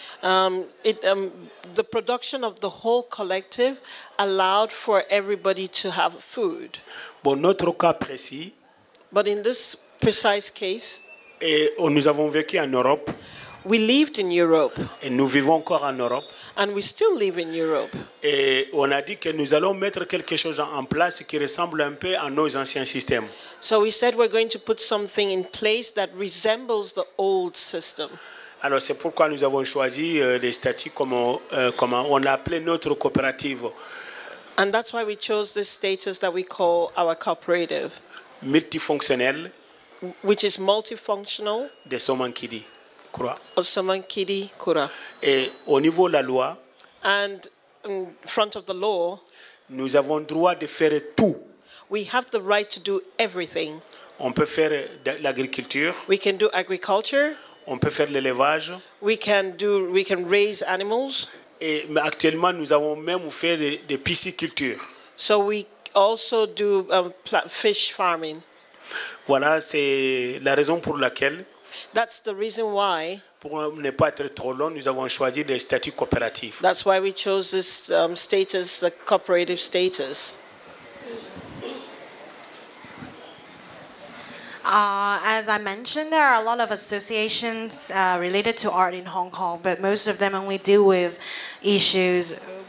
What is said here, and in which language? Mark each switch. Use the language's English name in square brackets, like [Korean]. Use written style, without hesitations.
[English] The production of the whole collective allowed for everybody to have food. [French] Bon, notre cas précis. [English] But in this precise case. [French] Et nous avons vécu en Europe. [English] We lived in Europe. [French] Et nous vivons encore en Europe. [English] And we still live in Europe. [French] Et on a dit que nous allons mettre quelque chose en place qui ressemble un peu à nos anciens systèmes. [English] So we said we're going to put something in place that resembles the old system. [French] Alors c'est pourquoi nous avons choisi les statuts comme on l'a appelé notre coopérative. [English] And that's why we chose this status that we call our cooperative. [French] Multifonctionnel. [English] Which is multifunctional. [French] De Somankidi, Coura. [English] Of Somankidi, Coura. [French] Et au niveau de la loi. [English] And in front of the law. [French] Nous avons droit de faire tout. [English] We have the right to do everything. [French] On peut faire l'agriculture. [English] We can do agriculture. [French] On peut faire l'élevage. [English] We can raise animals. [French] Et actuellement, nous avons même fait des piscicultures. [English] So we also do fish farming. [French] Voilà, c'est la raison pour laquelle. [English] That's the reason why. [French] Pour ne pas être trop long, nous avons choisi le statut coopératif. [English] That's why we chose this status, the cooperative status. As I mentioned, there are a lot of associations related to art in Hong Kong, but most of them only deal with issues.